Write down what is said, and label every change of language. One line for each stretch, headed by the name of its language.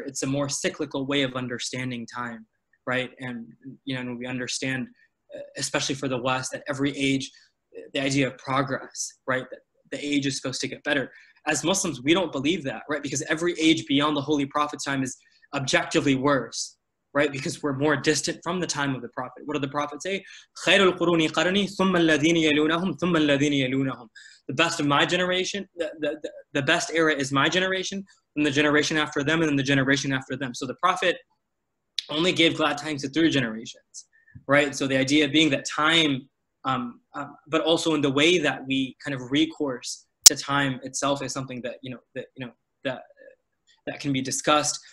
English: It's a more cyclical way of understanding time. Right, and you know, and we understand, especially for the West, that every age, the idea of progress, right, that the age is supposed to get better. As Muslims, we don't believe that, right, because every age beyond the Holy Prophet's time is objectively worse, right, because we're more distant from the time of the Prophet. What did the Prophet say?
Arabic: خير القرون قرني ثم الذين يلونهم ثم الذين يلونهم.
English: The best of my generation, the best era is my generation, and the generation after them, and then the generation after them. So the Prophet only gave glad tidings to three generations, right? So the idea being that time, but also in the way that we kind of recourse to time itself is something that, you know, that, you know, that that can be discussed.